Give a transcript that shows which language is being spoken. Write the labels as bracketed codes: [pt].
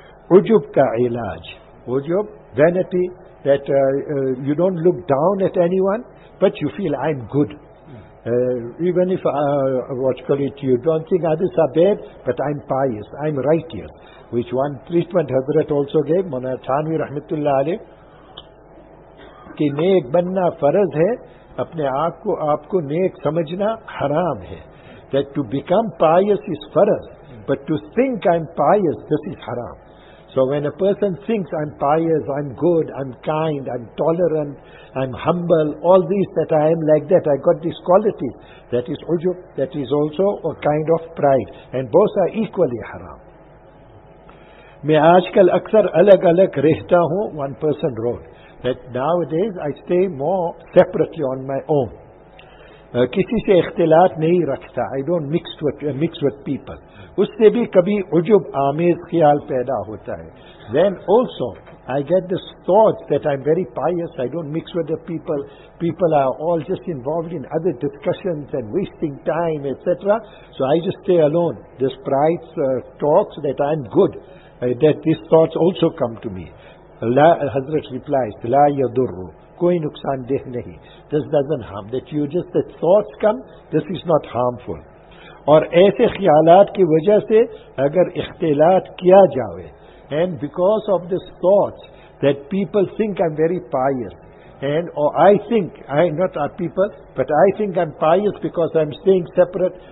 [ur] Ujub ka ilaj. [en] Ujub, vanity, that you don't look down at anyone, but you feel I'm good. Even if, you don't think others are bad, but I'm pious, I'm righteous. Which one treatment Hazrat also gave, Mona Thanvi Rahmatullah Ali. [ur] کہ نیک بننا فرض ہے, اپنے آپ کو آپ کو نیک سمجھنا حرام ہے. [en] That to become pious is فرض, but to think I'm pious, this is حرام. So when a person thinks I'm pious, I'm good, I'm kind, I'm tolerant, I'm humble, all these that I am like that, I got these qualities, that is عجب, that is also a kind of pride. And both are equally حرام. [ur] میں آج کل اکثر الگ الگ رہتا ہوں, [en] one person wrote. That nowadays I stay more separately on my own. [ur] Kisi se ikhtilat nahi rakhta. [en] I don't mix with people. [ur] Usse bhi kabhi ujub aamez khiyal paida hota hai. [en] Then also, I get this thought that I'm very pious. I don't mix with the people. People are all just involved in other discussions and wasting time, etc. So I just stay alone. This pride talks that I'm good. That these thoughts also come to me. Hazrat replies, [ar] لا يضرو, [ur] کوئی نقصان دہ نہیں. [en] This doesn't harm. That you just, the thoughts come, this is not harmful. [ur] اور ایسے خیالات کی وجہ سے اگر اختلاط کیا جاوے, [en] and because of this thoughts that people think I'm very pious, and or I think, I not our people, but I think I'm pious because I'm staying separate.